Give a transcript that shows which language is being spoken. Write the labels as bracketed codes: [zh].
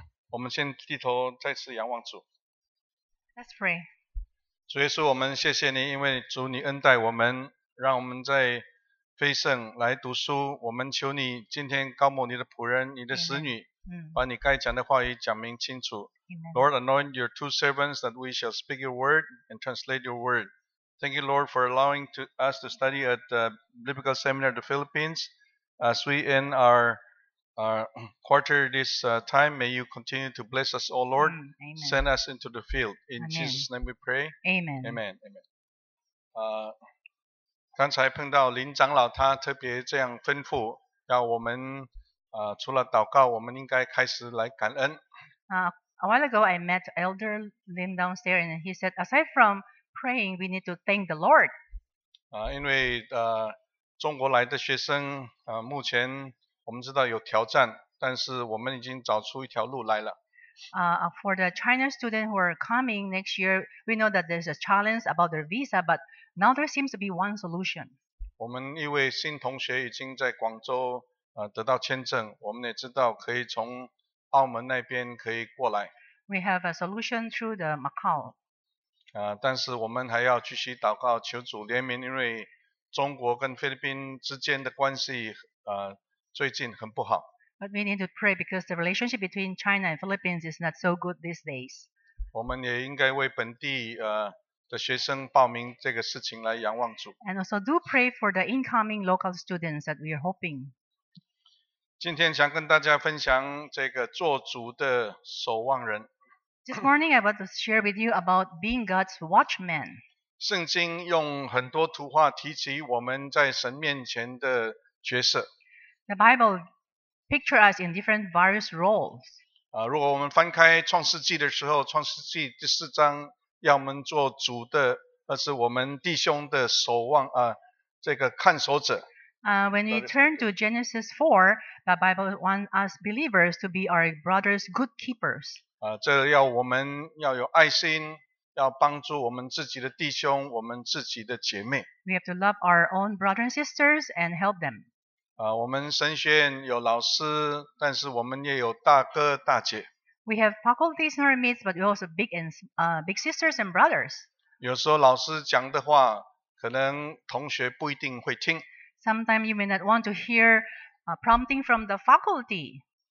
[zh] 我们先低头再次仰望主。 [en] Let's pray。 [zh] 主耶稣，我们谢谢你，因为主你恩待我们，让我们在飞圣来读书。我们求你今天高牧你的仆人，你的使女，把你该讲的话语讲明清楚。 [en] Lord, anoint your two servants that we shall speak your word and translate your word. Thank you, Lord, for allowing us to study at the Biblical Seminary of the Philippines as we end our quarter this time. May you continue to bless us, O Lord. Send us into the field. In Jesus' name we pray. Amen. Amen. Amen. [zh] 刚才碰到林长老，他特别这样吩咐，要我们除了祷告，我们应该开始来感恩。 [en] A while ago, I met Elder Lin downstairs, and he said, aside from praying, we need to thank the Lord. [zh] 因为中国来的学生目前我们知道有挑战，但是我们已经找出一条路来了。 [en] For the China students who are coming next year, we know that there's a challenge about their visa, but now there seems to be one solution. [zh] 我们一位新同学已经在广州得到签证，我们也知道可以从澳门那边可以过来。 [en] We have a solution through the Macau. [zh] 但是我们还要继续祷告，求主怜悯，因为中国跟菲律宾之间的关系最近很不好。 [en] But we need to pray because the relationship between China and Philippines is not so good these days. [zh] 我们也应该为本地的学生报名这个事情来仰望主。 [en] And also do pray for the incoming local students that we are hoping. [zh] 今天想跟大家分享这个做主的守望人。 [en] This morning I want to share with you about being God's watchman. [zh] 圣经用很多图画提及我们在神面前的角色。 [en] The Bible picture us in different various roles. [zh] 如果我们翻开创世纪的时候，创世纪第四章要我们做主的，而是我们弟兄的守望这个看守者。 [en] When we turn to Genesis 4, the Bible wants us believers to be our brother's good keepers. [zh] 这要我们要有爱心，要帮助我们自己的弟兄，我们自己的姐妹。 [en] We have to love our own brothers and sisters and help them. [zh] 我们神学院有老师，但是我们也有大哥大姐。 [en] We have faculties in our midst, but we also have big sisters and brothers. [zh] 有时候老师讲的话，可能同学不一定会听。 [en] Sometimes you may not want to hear a prompting from the faculty.